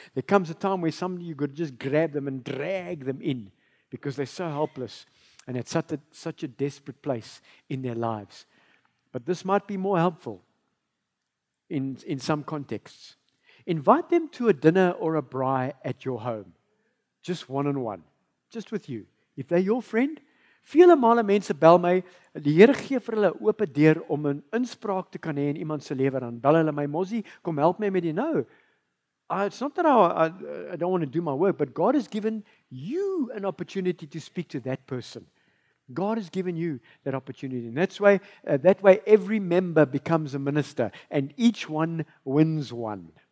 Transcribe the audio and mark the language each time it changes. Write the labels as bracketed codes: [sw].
[en] There comes a time where somebody you've got to just grab them and drag them in because they're so helpless and it's such a desperate place in their lives. But this might be more helpful in some contexts. Invite them to a dinner or a braai at your home. Just one-on-one. Just with you. If they're your friend, [af] vele male mense bel my. Die Here gee vir hulle 'n oop deur om 'n inspraak te kan hê in iemand se lewe. Dan bel hulle my, Mozzie, kom help my met die nou. [en] It's not that I don't want to do my work, but God has given you an opportunity to speak to that person. God has given you that opportunity. And that's why that way every member becomes a minister and each one wins one.